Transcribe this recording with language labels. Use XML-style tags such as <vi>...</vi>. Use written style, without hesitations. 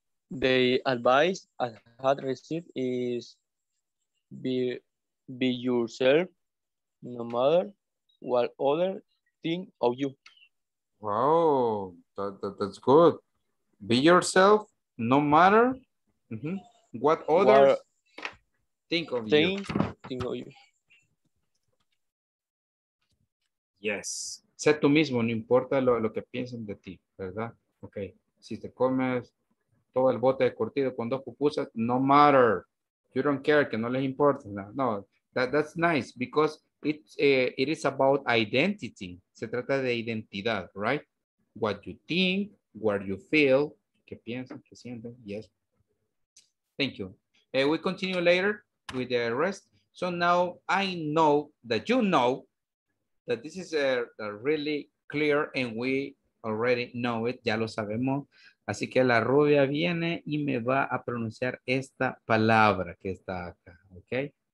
<en>The advice I had received is be yourself, no matter what other think of you. Wow, that's good. Be yourself, no matter what others think of you. Yes.</en> <es>Sé tú mismo, no importa lo que piensen de ti, ¿verdad? Okay. Si te comes todo el bote de curtido con dos pupusas,</es> <en>no matter. You don't care,</en> <es>que no les importa.</es> <en>No, that's nice because it is about identity.</en> <es>Se trata de identidad,</es> <en>right? What you think, what you feel,</en> <es>que piensan, que sienten,</es> <en>yes. Thank you. We continue later with the rest. So now I know that you know that this is a really clear and we already know it,</en> <es>ya lo sabemos. Así que la rubia viene y me va a pronunciar esta palabra que está acá, ¿ok?</es>